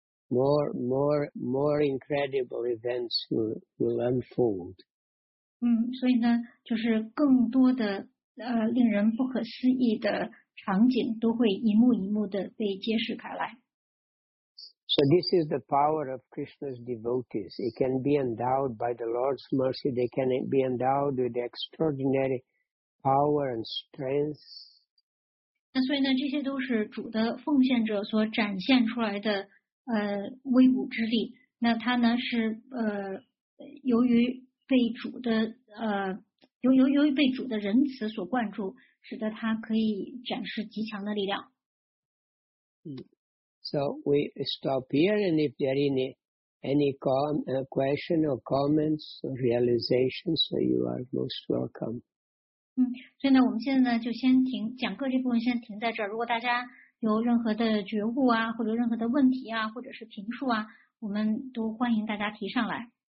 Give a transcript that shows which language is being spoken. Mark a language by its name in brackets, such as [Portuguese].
[English] More incredible events will unfold. [Chinese] 所以呢就是更多的令人不可思议的场景都会一幕一幕的被揭示开来。 [English] So this is the power of Krishna's devotees. It can be endowed by the Lord's mercy. They can be endowed with extraordinary power and strength. [Chinese] 那所以呢这些都是主的奉献者所展现出来的威武之力。那他呢是由于被主的由于被主的仁慈所灌注，使得他可以展示极强的力量。 [English] So we stop here, and if there are any question or comments or realizations, so you are most welcome. [Chinese] 所以呢，我们现在呢就先停讲课这部分，先停在这儿。如果大家有任何的觉悟啊，或者任何的问题啊，或者是评述啊，我们都欢迎大家提上来。